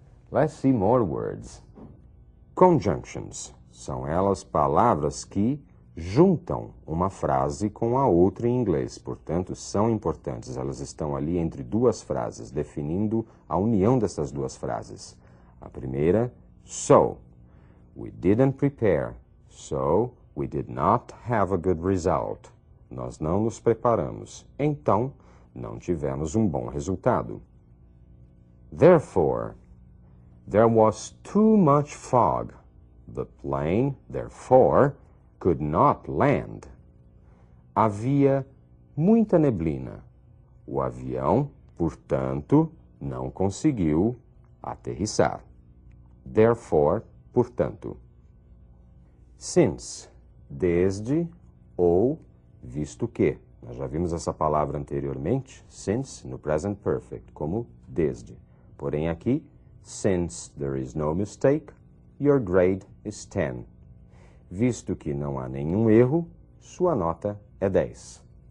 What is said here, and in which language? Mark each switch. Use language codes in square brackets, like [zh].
[en] Let's see more words. [pt] Conjunctions são elas palavras que juntam uma frase com a outra em inglês. Portanto, são importantes. Elas estão ali entre duas frases, definindo a união dessas duas frases. A primeira, so. [en] We didn't prepare. So, we did not have a good result. [pt] Nós não nos preparamos. Então, não tivemos um bom resultado. [en] Therefore, there was too much fog. The plane, therefore, could not land. [pt] Havia muita neblina. O avião, portanto, não conseguiu aterrissar. Therefore, portanto. Since, desde ou visto que. Nós já vimos essa palavra anteriormente, since, no present perfect, como desde. Porém aqui, [en] since there is no mistake, your grade is 10. [pt] Visto que não há nenhum erro, sua nota é 10.